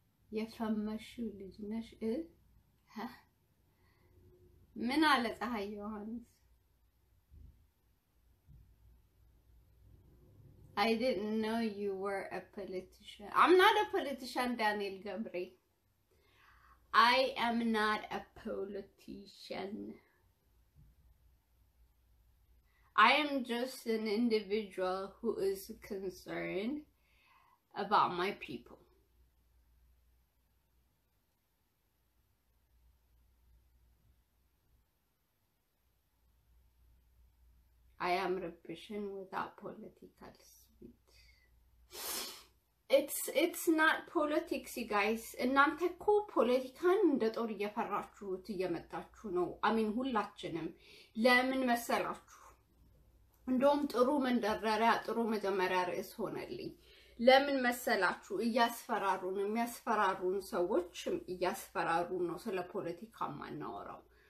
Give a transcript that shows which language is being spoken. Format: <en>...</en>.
<am>የፈመሽው ልጅ ነሽ እ ምን አለ ፀሐይ ዮሐንስ</am> <en>I didn't know you were a politician. I'm not a politician, Daniel Gabri. I am not a politician. I am just an individual who is concerned about my people. I am repression without politics. It's not politics, you guys.</en> <am>እናንተ እኮ ፖለቲካን እንደ ጦር እየፈራችሁት እየመጣችሁ ነው.</am> <en>I mean,</en> <am>ሁላችንም ለምን መሰላችሁ? እንደውም ጥሩ መንደረሪያ ጥሩ መጀመሪያ ርዕስ ሆነልኝ. ለምን መሰላችሁ? እያስፈራሩን የሚያስፈራሩን ሰዎችም እያስፈራሩን ነው ስለ ፖለቲካ ማናወራው.</am>